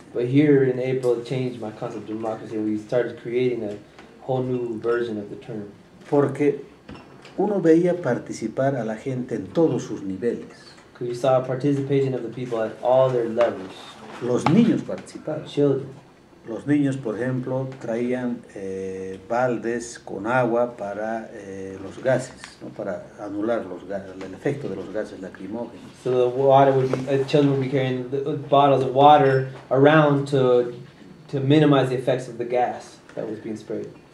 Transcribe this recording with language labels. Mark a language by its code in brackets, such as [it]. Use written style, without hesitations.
[en] But here in April it changed my concept of democracy. We started creating a whole new version of the term. [es] Porque uno veía participar a la gente en todos sus niveles. [en] Because you saw participation of the people at all their levels. [es] Los niños participaban. [en] Children. [es] Los niños, por ejemplo, traían baldes con agua para los gases, ¿no? Para anular los gases, el efecto de los gases lacrimógenos. [en] So the water would be, children would be carrying the bottles of water around to minimize the effects of the gas that was being sprayed.